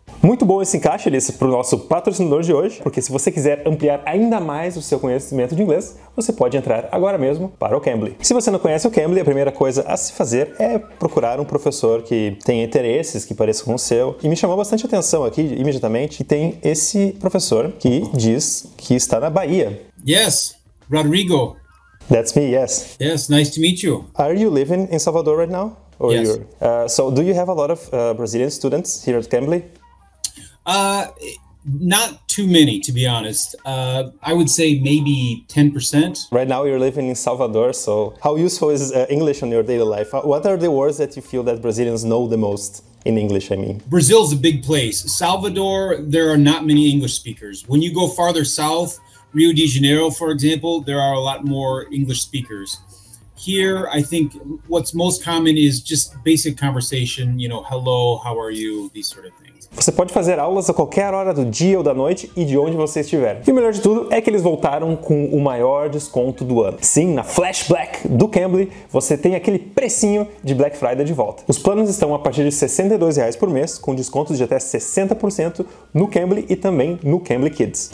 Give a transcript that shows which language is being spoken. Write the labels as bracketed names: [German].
[Portuguese] Muito bom esse encaixe, Alice, para o nosso patrocinador de hoje, porque se você quiser ampliar ainda mais o seu conhecimento de inglês, você pode entrar agora mesmo para o Cambly. Se você não conhece o Cambly, a primeira coisa a se fazer é procurar um professor que tenha interesses, que pareça com o seu. E me chamou bastante atenção aqui, imediatamente, que tem esse professor que diz que está na Bahia. [English] Yes, Rodrigo. That's me, yes. Yes, nice to meet you. Are you living in Salvador right now? Or yes. So, do you have a lot of Brazilian students here at Cambly? Not too many, to be honest. I would say maybe 10%. Right now you're living in Salvador, so how useful is English in your daily life? What are the words that you feel that Brazilians know the most in English, I mean? Brazil's a big place. Salvador, there are not many English speakers. When you go farther south, Rio de Janeiro, for example, there are a lot more English speakers. Here, I think what's most common is just basic conversation, you know, hello, how are you, these sort of things. [Portuguese] Você pode fazer aulas a qualquer hora do dia ou da noite e de onde você estiver. E o melhor de tudo é que eles voltaram com o maior desconto do ano. Sim, na Flash Black do Cambly, você tem aquele precinho de Black Friday de volta. Os planos estão a partir de R$62 por mês, com descontos de até 60% no Cambly e também no Cambly Kids.